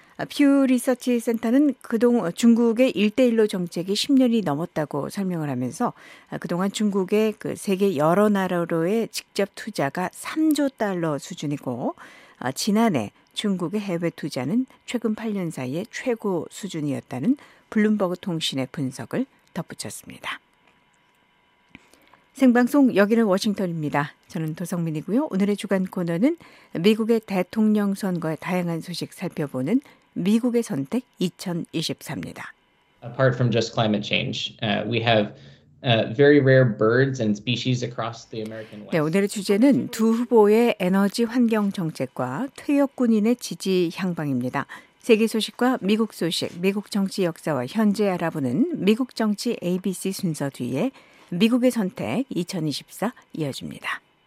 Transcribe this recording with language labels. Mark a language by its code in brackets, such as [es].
[ko] 퓨 리서치 센터는 그동안 중국의 일대일로 정책이 10년이 넘었다고 설명을 하면서 그동안 중국의 그 세계 여러 나라로의 직접 투자가 3조 달러 수준이고 지난해 중국의 해외 투자는 최근 8년 사이에 최고 수준이었다는 블룸버그 통신의 분석을 덧붙였습니다. 생방송 여기는 워싱턴입니다. 저는 도성민이고요. 오늘의 주간 코너는 미국의 대통령 선거의 다양한 소식 살펴보는 미국의 선택 2024입니다. [en] Apart from just climate change, we have very rare birds and species across the American West. [ko] 네, 오늘의 주제는 두 후보의 에너지 환경 정책과 퇴역 군인의 지지 향방입니다. 세계 소식과 미국 소식, 미국 정치 역사와 현재 알아보는 미국 정치 ABC 순서 뒤에 미국의 선택 2024 이어집니다.